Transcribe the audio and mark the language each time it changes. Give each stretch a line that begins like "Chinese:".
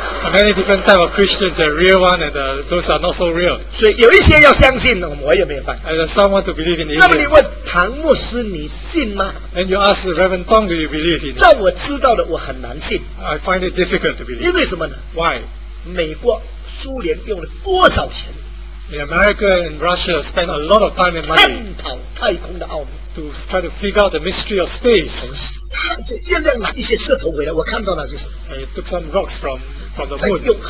English: Many different types of Christians, the real one and those are not so real.
Chinese: 所以有一些要相信，我也没有办法。
English: And someone to believe in aliens.
Chinese: 那么你问唐牧师，你信吗？
English: And you ask Reverend Tong, do you believe in it?
Chinese: 在我知道的，我很难信。
English: I find it difficult to believe.
Chinese: 因为什么呢？
English: Why?
Chinese: 美国。苏联用了多少钱？
English: In America and Russia spent a lot of time and money
Chinese: 探讨太空的奥秘，
English: to try to figure out the mystery of space.
Chinese: 月亮拿一些石头回来，我看到了就是。
English: And it took some rocks from the moon.